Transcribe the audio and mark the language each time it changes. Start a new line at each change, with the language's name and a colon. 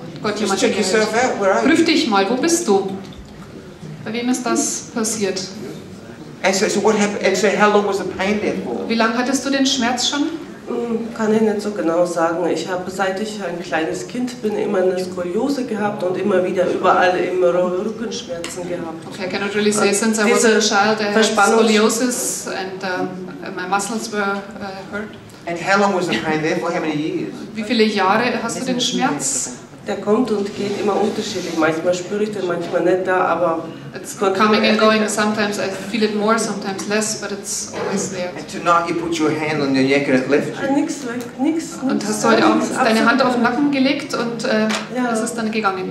German: Prüf dich mal, wo bist du? Bei wem ist das passiert? Wie lange hattest du den Schmerz schon? Kann ich nicht so genau sagen. Ich habe, seit ich ein kleines Kind bin, immer eine Skoliose gehabt und immer wieder überall immer Rückenschmerzen gehabt.
English: Okay, I cannot really say, since I was a child, I had scoliosis and my muscles were hurt. And how long was the pain there? For how many years?
German: Wie viele Jahre hast du den Schmerz? Der kommt und geht immer unterschiedlich. Manchmal spüre ich den, manchmal nicht da, aber...
English: It's coming and going. Sometimes I feel it more, sometimes less, but it's always there. And tonight you put your hand on your neck and it left you.
German: Nix, like, nix. Und hast du heute Abend deine Hand auf den Nacken gelegt und es ist dann gegangen.